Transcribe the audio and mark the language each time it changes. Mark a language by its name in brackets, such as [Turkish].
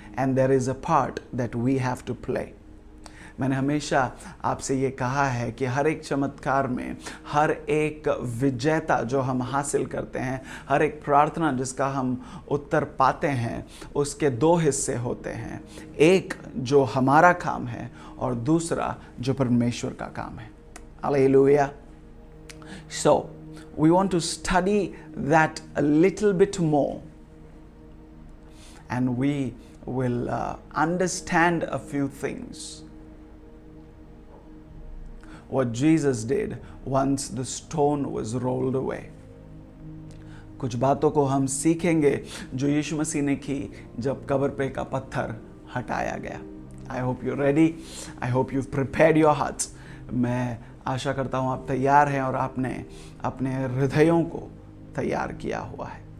[English] And there is a part that we have to play. [Hindi] मैंने हमेशा आपसे ये कहा है कि हर एक चमत्कार में, हर एक विजेता जो हम हासिल करते हैं, हर एक प्रार्थना जिसका हम उत्तर पाते हैं, उसके दो हिस्से होते हैं, एक जो हमारा काम है और दूसरा जो परमेश्वर का काम है। Hallelujah. [English] So we want to study that a little bit more and we will understand a few things. What Jesus did once the stone was rolled away. [Hindi] कुछ बातों को हम सीखेंगे जो यीशु मसीह ने की जब कब्र पे का पत्थर हटाया गया। [English] I hope you're ready. I hope you've prepared your hearts. [Hindi] मैं आशा करता हूँ आप तैयार हैं और आपने अपने हृदयों को तैयार किया हुआ है।